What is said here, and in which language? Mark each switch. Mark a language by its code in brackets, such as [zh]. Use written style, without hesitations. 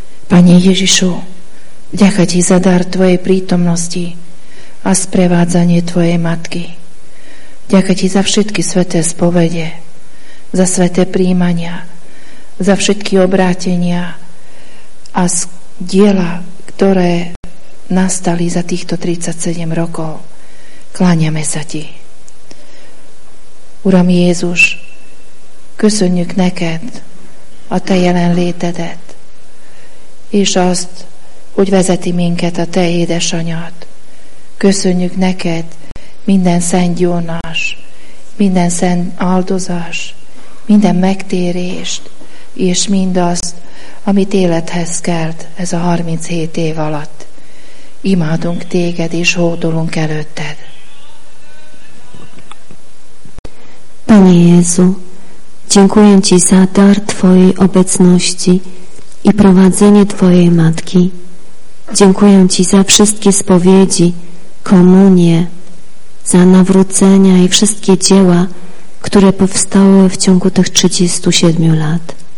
[sk] Пане Ježišu, ďaká Ti za dar Tvojej prítomnosti a sprevádzanie Tvojej Matky. Ďaká Ti za všetky sväté spovede, za sväté príjmania, za všetky obrátenia a diela, ktoré nastali za týchto 37 rokov. Kláňame sa Ti. [hu] Uram Jézus, köszönjük neked a Te jelen létedet és azt, hogy vezeti minket a Te édesanyád. Köszönjük neked minden szent gyónás, minden szent áldozás, minden megtérést, és mindazt, amit élethez kelt ez a 37 év alatt. Imádunk téged, és hódolunk előtted. [pl] Panie Jezu, dziękuję Ci za dar Twojej obecności i prowadzenie Twojej Matki. Dziękuję Ci za wszystkie spowiedzi, komunie, za nawrócenia i wszystkie dzieła, które powstały w ciągu tych 37 lat.